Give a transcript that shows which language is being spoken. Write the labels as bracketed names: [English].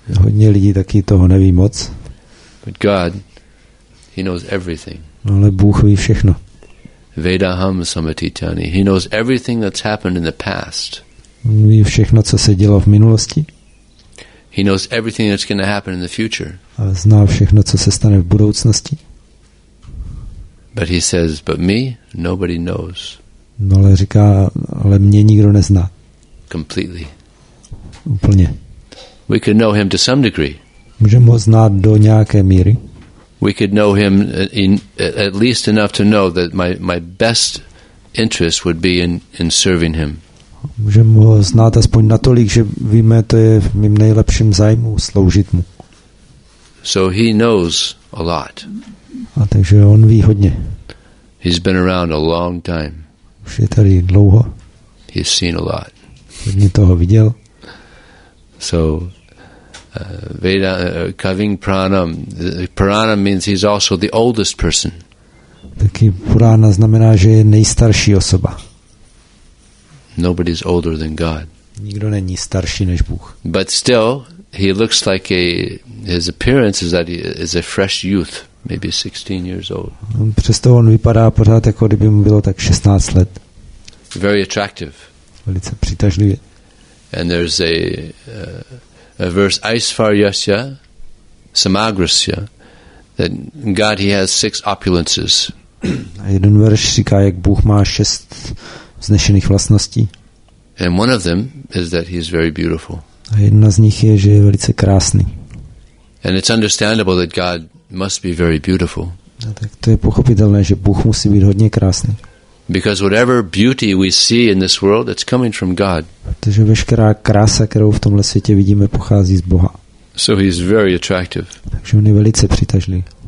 [Czech] Hodně lidí taky toho neví moc. [English] But God, He knows everything. [Czech] Ale Bůh ví všechno. [Sanskrit] Vedaham samatitani. [English] He knows everything that's happened in the past. [Czech] Ví všechno, co se dělo v minulosti. [English] He knows everything that's going to happen in the future. [Czech] A zná všechno, co se stane v budoucnosti. [English] But he says, but me, nobody knows. [Czech] No, ale říká, ale mě nikdo nezná. [English] Completely. [Czech] Úplně. [English] We could know him to some degree. [Czech] Můžeme ho znát do nějaké míry. [English] We could know him in, at least enough to know that my best interest would be in serving him. [Czech] Můžeme ho znát aspoň natolik, že víme, to je v mým nejlepším zájmu sloužit mu. [English] So he knows a lot. [Czech] A takže on ví hodně. [English] He's been around a long time. [Czech] Už je tady dlouho. [English] He's seen a lot. [Czech] Hodně toho viděl. [Sanskrit] So Veda Kaving Pranam. [English] Pranam means he's also the oldest person. [Czech] Taky Purana znamená, že je nejstarší osoba. [English] Nobody's older than God. [Czech] Nikdo není starší než Bůh. [English] But still, he looks like his appearance is that he is a fresh youth, maybe 16 years old. [Czech] Přesto on vypadá pořád jako kdyby mu bylo tak 16 let. [English] Very attractive. [Czech] Velice přitažlivě. [English] And there's a verse [Sanskrit] Aishvaryasya Samagrasya [English] that God he has six opulences. [Czech] A jeden verš říká, jak Bůh má šest vznešených vlastností. [English] And one of them is that he is very beautiful. [Czech] A jedna z nich je, že je velice krásný. [English] And it's understandable that God must be very beautiful. [Czech] A tak to je pochopitelné, že Bůh musí být hodně krásný. [English] Because whatever beauty we see in this world, it's coming from God. [Czech] Protože veškerá krása, kterou v tomhle světě vidíme, pochází z Boha. [English] So he is very attractive. [Czech] Takže on je velice přitažlivý.